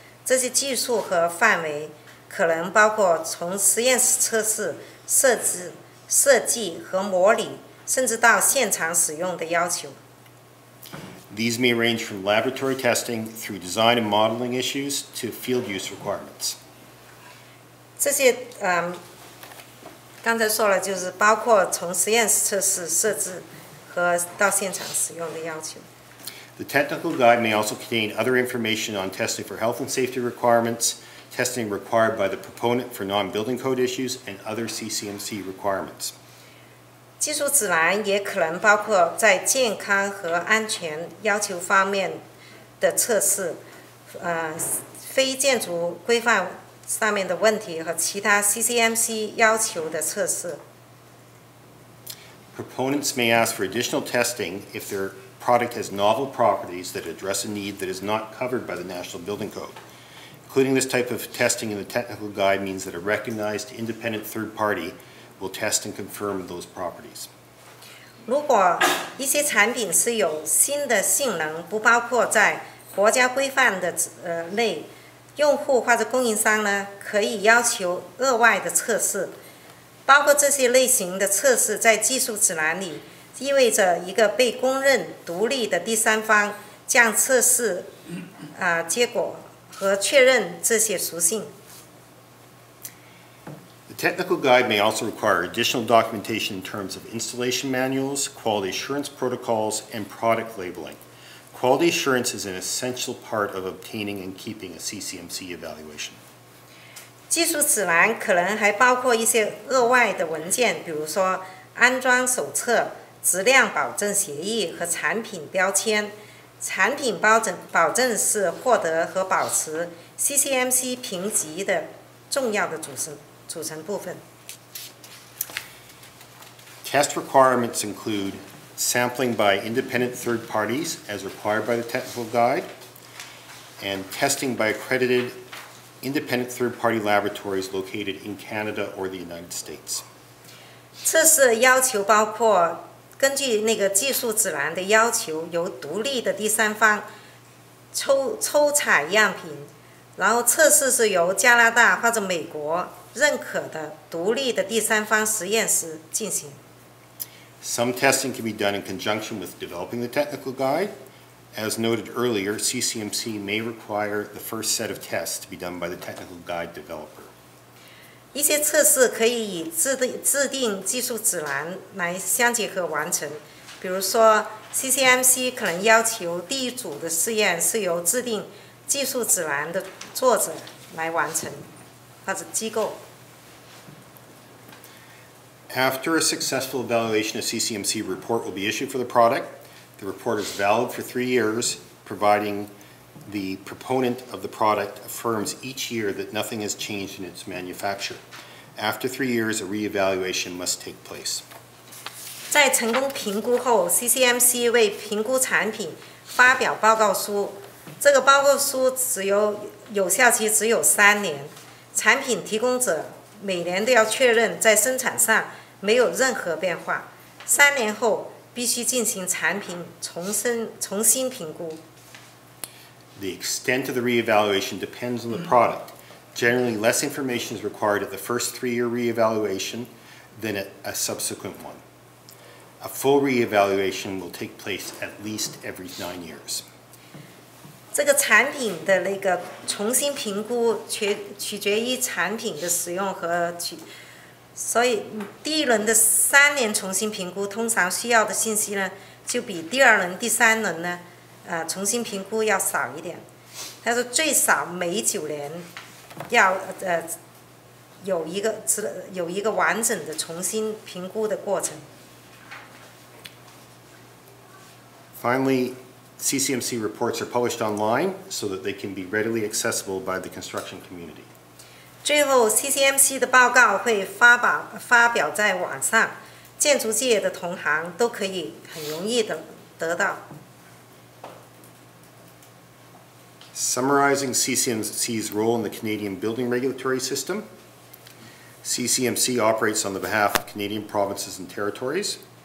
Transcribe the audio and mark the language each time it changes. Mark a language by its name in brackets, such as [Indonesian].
[Chinese] 这些技术和范围可能包括从实验室测试、设计和模拟，甚至到现场使用的要求。 [English] These may range from laboratory testing through design and modeling issues to field use requirements. [Chinese] 这些刚才说了，就是包括从实验室测试、设置和到现场使用的要求。 [English] The technical guide may also contain other information on testing for health and safety requirements, testing required by the proponent for non-building code issues, and other CCMC requirements. [Chinese] 技术指南也可能包括在健康和安全要求方面的测试，非建筑规范上面的问题和其他 CCMC 要求的测试。 [English] Proponents may ask for additional testing if their product has novel properties that address a need that is not covered by the National Building Code. Including this type of testing in the technical guide means that a recognized independent third party will test and confirm those properties. [Chinese] 如果一些产品是有新的性能，不包括在国家规范的内，用户或者供应商呢，可以要求额外的测试，包括这些类型的测试在技术指南里，意味着一个被公认独立的第三方将测试结果和确认这些属性。 [English] The technical guide may also require additional documentation in terms of installation manuals, quality assurance protocols, and product labeling. Quality assurance is an essential part of obtaining and keeping a CCMC evaluation. [Chinese] 技术指南可能还包括一些额外的文件，比如说安装手册、质量保证协议和产品标签。产品保证是获得和保持 CCMC 评级的重要的组成部分。 [English] Test requirements include. Sampling by independent third parties as required by the technical guide, and testing by accredited independent third party laboratories located in Canada or the United States. [Chinese] 测试要求包括根据那个技术指南的要求，由独立的第三方抽采样品，然后测试是由加拿大或者美国认可的独立的第三方实验室进行。 [English] Some testing can be done in conjunction with developing the technical guide. As noted earlier, CCMC may require the first set of tests to be done by the technical guide developer. [Chinese] 一些测试可以以制定技术指南来相结合完成。比如说 ,CCMC 可能要求第一组的试验是由制定技术指南的作者来完成，或者机构。 [English] After a successful evaluation, a CCMC report will be issued for the product. The report is valid for 3 years, providing the proponent of the product affirms each year that nothing has changed in its manufacture. After 3 years, a re-evaluation must take place. [Chinese] 在成功评估后 ,CCMC 为评估产品发表报告书。这个报告书有效期只有3年。产品提供者每年都要确认在生产上没有任何变化，3年后必须进行产品重新评估。 [English] The extent of the re-evaluation depends on the product. Generally, less information is required at the first 3-year re-evaluation than at a subsequent one. A full re-evaluation will take place at least every 9 years. [Chinese] 这个产品的那个重新评估取决于产品的使用和所以第一轮的三年重新评估通常需要的信息呢就比第二轮第三轮呢重新评估要少一点他说最少每九年要有一个完整的重新评估的过程 [English] Finally, CCMC reports are published online so that they can be readily accessible by the construction community. [Chinese] 最后 CCMC 的报告会发表在网上建筑界的同行都可以很容易的得到 [English] Summarizing CCMC's role in the Canadian building regulatory system, CCMC operates on the behalf of Canadian provinces and territories.